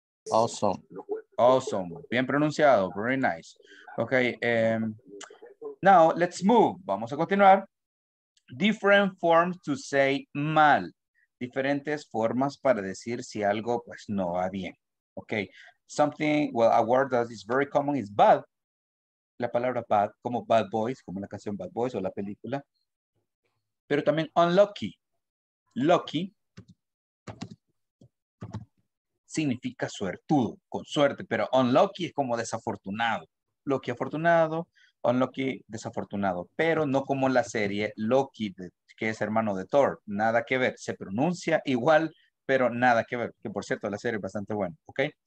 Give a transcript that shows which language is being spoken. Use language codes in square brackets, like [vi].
[en] Awesome. Awesome. [es] Bien pronunciado. [en] Very nice. Okay. Now let's move. [es] Vamos a continuar. [en] Different forms to say mal. [es] Diferentes formas para decir si algo pues no va bien. [en] Okay. Something, well, a word that is very common is bad. [es] La palabra bad, como bad boys, como la canción Bad Boys o la película. Pero también unlucky. Lucky significa suertudo, con suerte, pero unlucky es como desafortunado. Lucky afortunado, unlucky desafortunado, pero no como la serie Loki, que es hermano de Thor, nada que ver, se pronuncia igual, pero nada que ver, que por cierto, la serie es bastante buena, ¿ok?